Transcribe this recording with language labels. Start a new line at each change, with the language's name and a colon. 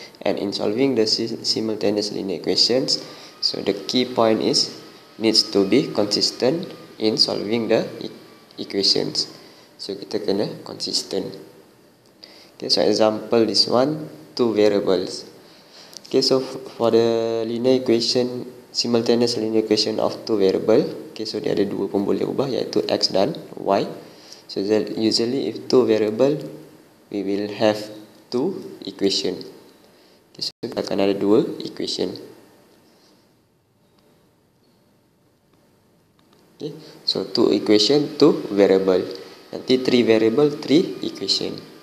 English: And in solving the simultaneous linear equations, so the key point is needs to be consistent in solving the equations. So
Malay: kita kena
English: consistent. Okay, so example this one, two variables. Okay, so for the linear equation, simultaneous linear equation of two variable.
Malay: Okay, so dia ada dua pun boleh ubah, iaitu x dan y.
English: So usually if two variable, we will have two equation.
Malay: Okay, so kita akan ada dua equation.
English: Okay, so two equation, two variable. Nanti three variable, three equation.